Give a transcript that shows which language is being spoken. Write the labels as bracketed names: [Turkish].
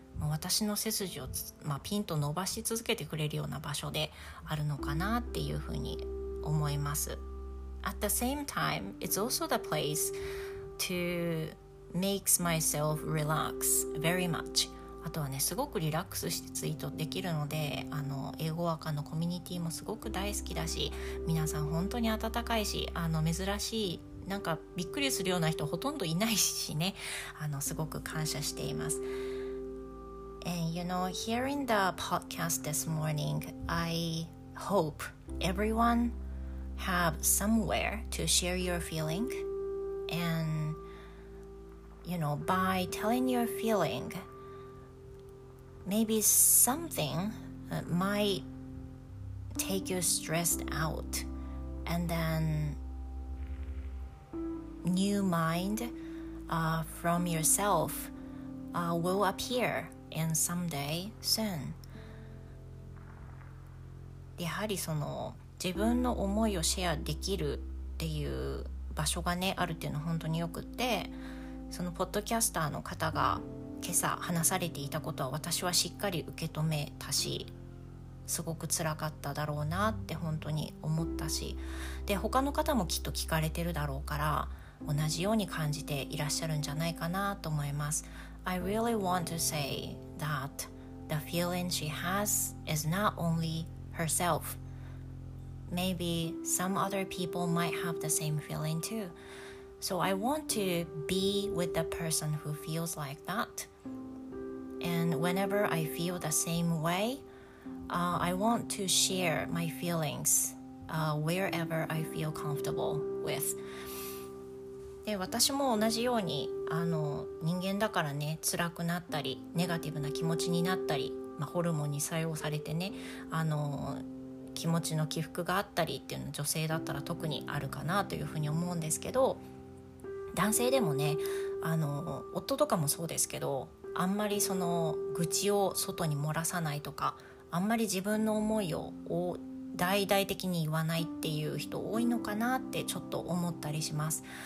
[Japanese] 私の背筋を、まあ、ピンと伸ばし続けてくれるような場所であるのかなっていうふうに思います。 [English] At the same time, it's also the place to make myself relax very much. [Japanese] あとはね、すごくリラックスしてツイートできるので、あの英語アカのコミュニティもすごく大好きだし、皆さん本当に温かいし、あの珍しい、なんかびっくりするような人ほとんどいないしね、あのすごく感謝しています。 [English] And you know, hearing the podcast this morning, I hope everyone have somewhere to share your feeling. And, you know, by telling your feeling, maybe something might take your stress out. And then new mind from yourself will appear. And someday, soon. [Japanese] やはりその自分の思いをシェアできるっていう場所がねあるっていうのは本当によくって、そのポッドキャスターの方が今朝話されていたことは私はしっかり受け止めたし、すごく辛かっただろうなって本当に思ったし、で他の方もきっと聞かれてるだろうから同じように感じていらっしゃるんじゃないかなと思います。 [English] I really want to say that the feeling she has is not only herself. Maybe some other people might have the same feeling too. So I want to be with the person who feels like that. And whenever I feel the same way, I want to share my feelings, wherever I feel comfortable with. [Japanese] で私も同じようにあの人間だからね、辛くなったりネガティブな気持ちになったり、まあ、ホルモンに作用されてね、あの気持ちの起伏があったりっていうのは女性だったら特にあるかなというふうに思うんですけど、男性でもね、あの夫とかもそうですけど、あんまりその愚痴を外に漏らさないとか、あんまり自分の思いを大々的に言わないっていう人多いのかなってちょっと思ったりします。